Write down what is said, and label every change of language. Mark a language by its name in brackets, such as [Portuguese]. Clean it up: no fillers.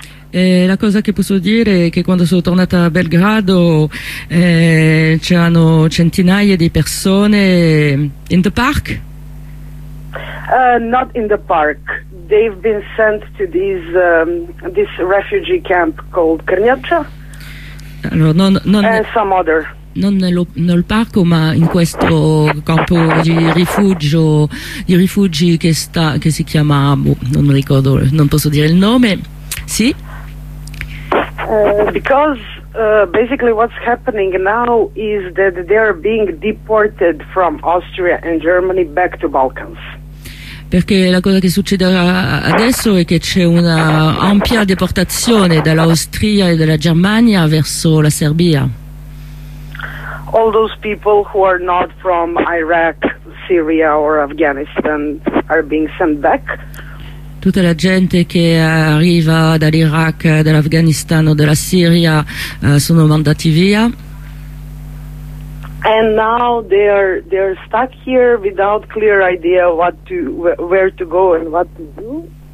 [Italian] E la cosa che posso dire è che quando sono tornata a Belgrado c'erano centinaia di persone [English] in the park? Not in the park. They've been sent to this refugee camp called Krnjača. [Italian] Allora, [English] and some other. [Italian] Non nel parco, ma in questo campo di rifugi che si chiama, non ricordo, non posso dire il nome. Sì. [English] Because basically what's happening now is that they are being deported from Austria and Germany back to Balkans. [Italian] Perché la cosa che succederà adesso è che c'è una ampia deportazione dall'Austria e dalla Germania verso la Serbia. [English] All those people who are not from Iraq, Syria or Afghanistan are being sent back. [Italian] Tutta la gente che arriva dall'Iraq, dall'Afghanistan o dalla Siria sono mandati via. [English] And now they're stuck here without clear idea what to where to go and what to do.